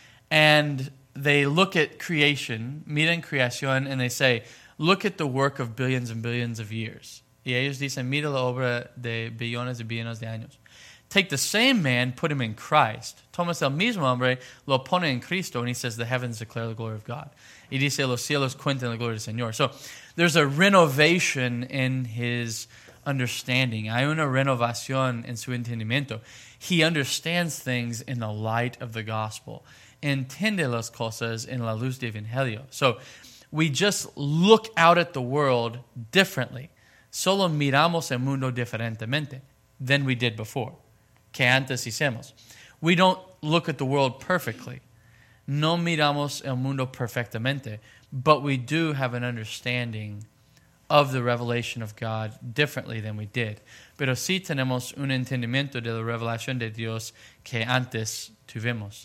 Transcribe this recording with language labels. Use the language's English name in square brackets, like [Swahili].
[English] And they look at creation, [Spanish] miren creación, [English] and they say, look at the work of billions and billions of years. [Spanish] Y ellos dicen, mira la obra de billones y billones de años. [English] Take the same man, put him in Christ. [Spanish] Tomas el mismo hombre, lo pone en Cristo, [English] and he says, the heavens declare the glory of God. [Spanish] Y dice, los cielos cuentan la gloria del Señor. [English] So there's a renovation in his understanding. [Spanish] Hay una renovación en su entendimiento. [English] He understands things in the light of the gospel. [Spanish] Entiende las cosas en la luz del Evangelio. [English] So we just look out at the world differently. [Spanish] Solo miramos el mundo diferentemente [English] than we did before. [Spanish] Que antes hicimos. [English] We don't look at the world perfectly. [Spanish] No miramos el mundo perfectamente. [English] But we do have an understanding of the revelation of God differently than we did. [Spanish] Pero sí tenemos un entendimiento de la revelación de Dios que antes tuvimos.